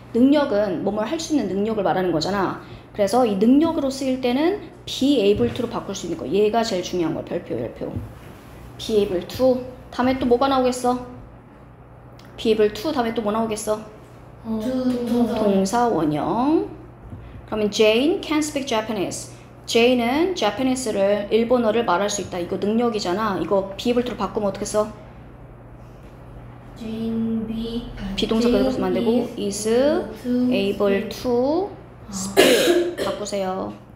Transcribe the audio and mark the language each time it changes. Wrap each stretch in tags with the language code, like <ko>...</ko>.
<ko>능력은 뭐뭐 할 수 있는 능력을 말하는 거잖아. 그래서 이 능력으로 쓰일 때는 be able to로 바꿀 수 있는 거. 얘가 제일 중요한 거야. 별표. be able to. 다음에 또 뭐가 나오겠어? 비에블 투 다음에 또 뭐 나오겠어? 동사 원형. 그러면</ko> <en>Jane can speak Japanese.</en> <ko>Jane은 Japanese를 일본어를 말할 수 있다. 이거 능력이잖아. 이거 비에블 투로 바꾸면 어떻게 써?</ko> <en>Jane be</en> <ko>비동사 그대로 안 되고</ko> <en>is able to speak</en> <ko>바꾸세요.</ko>